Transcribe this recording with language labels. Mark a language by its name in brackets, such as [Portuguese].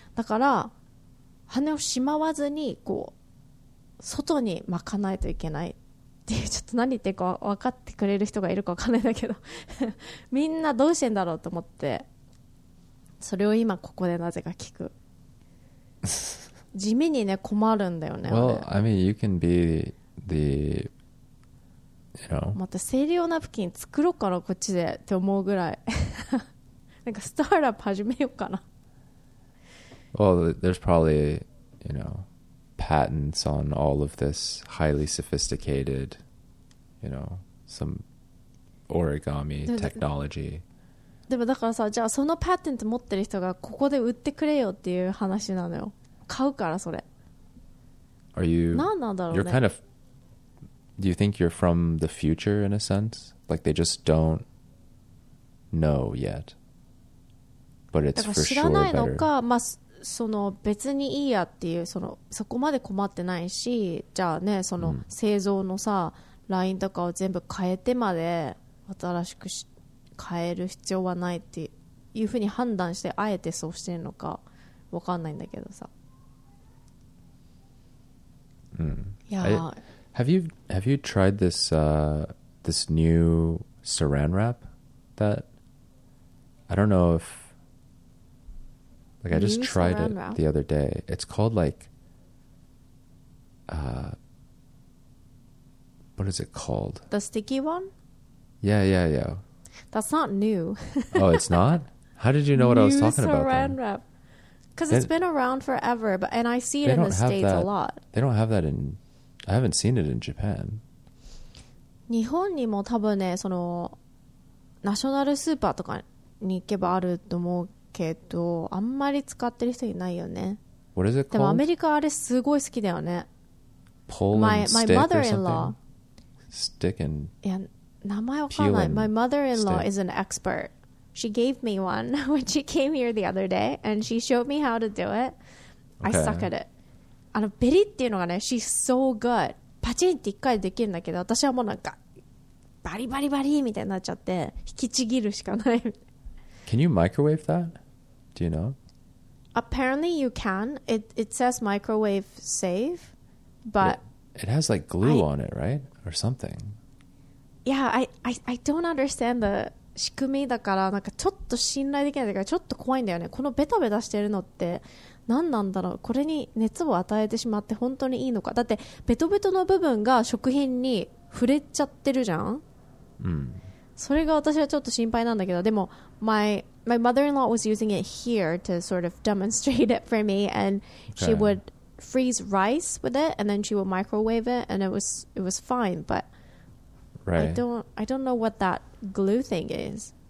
[Japanese] だから羽をしまわずにこう外に巻かないといけないっていう、ちょっと何言ってるか分かってくれる人がいるか分かんないんだけどみんなどうしてんだろうと思って、それを今ここでなぜか聞く地味にね困るんだよね。 [English] Well, I mean, you can be the you know、 [Japanese] また生理用ナプキン作ろうかなこっちでって思うぐらいなんかスタートアップ始めようかな。 [English] Well, there's probably, you know, patents on all of this highly sophisticated, you know, some origami technology. [Japanese] でもだからさ、じゃあそのパテント持ってる人がここで売ってくれよっていう話なのよ。買うからそれ。 [English] Are you? [Japanese] 何なんだろうね。 [English] You're kind of. Do you think you're from the future in a sense? Like they just don't know yet. But it's for sure better. [Japanese] 知らないのか、まあ、その別にいいやっていう、そのそこまで困ってないし、じゃあね、その製造のさ、ラインとかを全部変えてまで新しく変える必要はないっていうふうに判断してあえてそうしてるのか分かんないんだけどさ。うん。いや、 [English] Have you tried this this new saran wrap that I don't know if like new I just tried it wrap. The other day. It's called like what is it called? The sticky one? Yeah. That's not new. Oh, it's not? How did you know what I was talking about? New saran wrap. Because it's been around forever, but and I see it in the States a lot. They don't have that in... I haven't seen it in Japan. [Japanese] 日本にも多分ね、そのナショナルスーパーとかに行けばあると思うけど、あんまり使ってる人いないよね。 [English] What is it called? [Japanese] でもアメリカあれすごい好きだよね。 [English] Pull and stick or something? Stick and... [Japanese] いや、名前わかんない。 [English] My mother-in-law is an expert. She gave me one when she came here the other day, and she showed me how to do it. Okay. I suck at it. [Japanese] あのベリっていうのがね、 [English] she's so good. [Japanese] パチンって一回できるんだけど、私はもうなんかバリバリバリみたいになっちゃって引きちぎるしかない。 [English] Can you microwave that? Do you know? Apparently you can. It says microwave safe, but it has like glue on it, right, or something. Yeah, I don't understand the [Japanese] 仕組みだからなんかちょっと信頼できないだからちょっと怖いんだよね。このベタベタしてるのって。何なんだろう。これに熱を与えてしまって本当にいいのか。だってベトベトの部分が食品に触れちゃってるじゃん。うん。それが私はちょっと心配なんだけど。 [English] でも my mother-in-law was using it here to sort of demonstrate it for me, and she would freeze rice with it, and then she would microwave it, and it was fine. But right. I don't know what that glue thing is.